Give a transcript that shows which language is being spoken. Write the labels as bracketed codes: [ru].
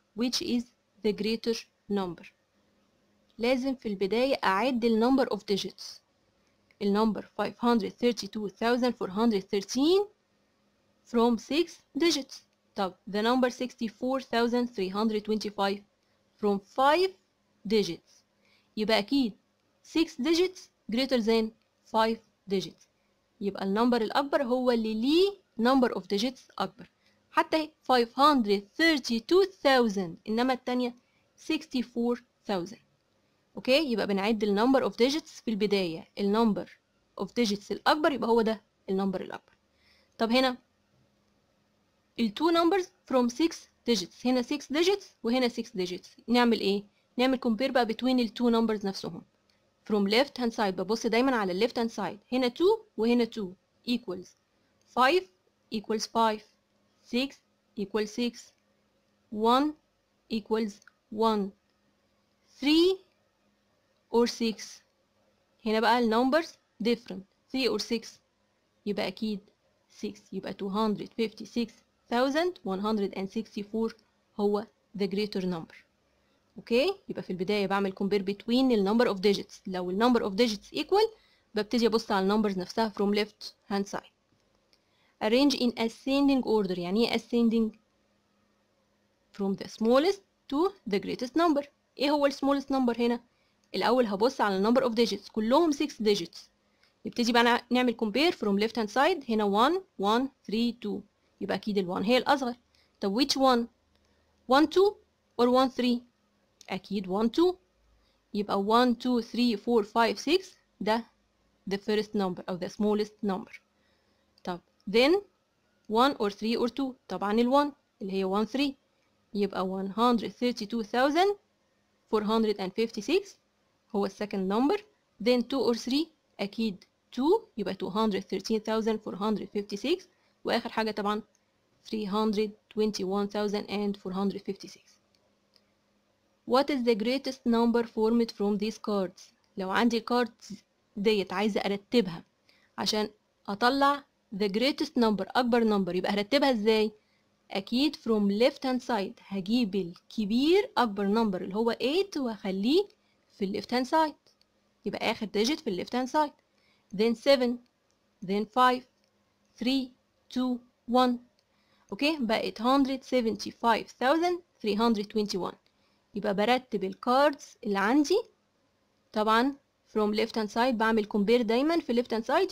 [en] Which is the greater number? [ar] لازم في البداية أعد الـ number of digits. [en] الـ number 532,413 from 6 digits. طب the number 64,325 from 5 digits. [ar] يبقى أكيد [en] 6 digits greater than 5 digits. [ar] يبقى الـ number الأكبر هو اللي ليه number of digits أكبر. حتى 532,000 إنما التانية 64,000. اوكي يبقى بنعد الـ number of digits في البداية. الـ number of digits الأكبر يبقى هو ده الـ number الأكبر. [en] طب هنا الـ two numbers from 6 digits. [ar] هنا 6 digits وهنا 6 digits. نعمل إيه؟ نعمل compare بقى between الـ two numbers نفسهم. [en] From left hand side [ar] ببص دايما على الـ [en] left hand side. هنا 2 وهنا 2 equals 5 equals 5 6 equals 6 1 equals 1 3 or 6. هنا بقى الـ numbers different 3 or 6 يبقى أكيد 6. يبقى 256,164 هو the greater number. [ar] اوكي يبقى في البداية بعمل compare between الـ number of digits. [en] لو الـ number of digits equal ببتدي أبص على الـ numbers نفسها from left hand side. Arrange in ascending order. يعني ascending from the smallest to the greatest number. [ar] ايه هو الـ smallest number هنا؟ الأول هبص على الـ number of digits كلهم 6 digits. [en] نبتدي بقى نعمل compare from left hand side. [ar] هنا 1 1 3 2 يبقى أكيد الـ 1 هي الأصغر. [en] طب which one؟ 1 2 or 1 3؟ أكيد 1 2. يبقى 1 2 3 4 5 6 ده the first number أو the smallest number. طب then 1 or 3 or 2 طبعا ال 1 اللي هي 1 3. يبقى 132,456 هو second number. then 2 or 3 أكيد 2 يبقى 213,456 [ar] وآخر حاجة طبعا [en] 321,456. What is the greatest number formed from these cards? [ar] لو عندي cards ديت عايزة أرتبها عشان أطلع the greatest number أكبر number يبقى هرتبها إزاي؟ أكيد [en] from left hand side [ar] هجيب الكبير أكبر number اللي هو 8 وأخليه في left hand side. [en] يبقى آخر digit في left hand side. Then 7 then 5 3 2 1 okay بقت 175,321. [ar] يبقى برتب الكاردز اللي عندي طبعا [en] from left hand side [ar] بعمل compare دايما في left hand side.